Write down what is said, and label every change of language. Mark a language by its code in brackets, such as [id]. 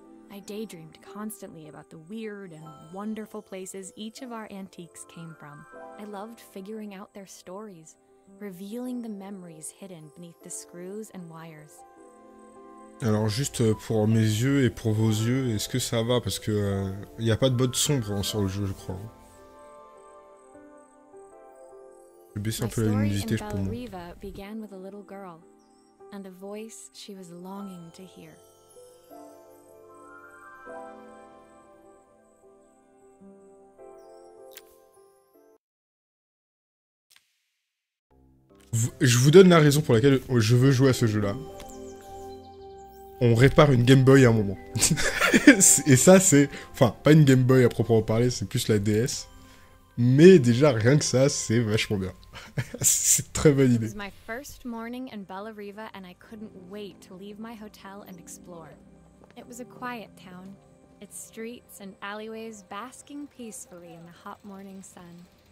[en] I daydreamed constantly about the weird and wonderful places each of our antiques came from. I loved figuring out their stories, revealing the memories hidden beneath the screws and wires. [fr] Alors juste pour mes yeux et pour vos yeux, est-ce que ça va? Parce que y a pas de mode sombre sur le jeu, je crois. Je baisse un peu la luminosité, je pense. [en] My story in Bella Riva began with a little girl and a voice she was longing to hear. [fr] Je vous donne la raison pour laquelle je veux jouer à ce jeu-là. On répare une Game Boy à un moment. Et ça, c'est... Enfin, pas une Game Boy à proprement parler, c'est plus la DS. Mais déjà, rien que ça, c'est vachement bien. C'est une très bonne idée. [en] My first morning in Bella Riva and I couldn't wait to leave my hotel and explore. It was a quiet town. Its streets and alleyways basking peacefully in the hot morning sun.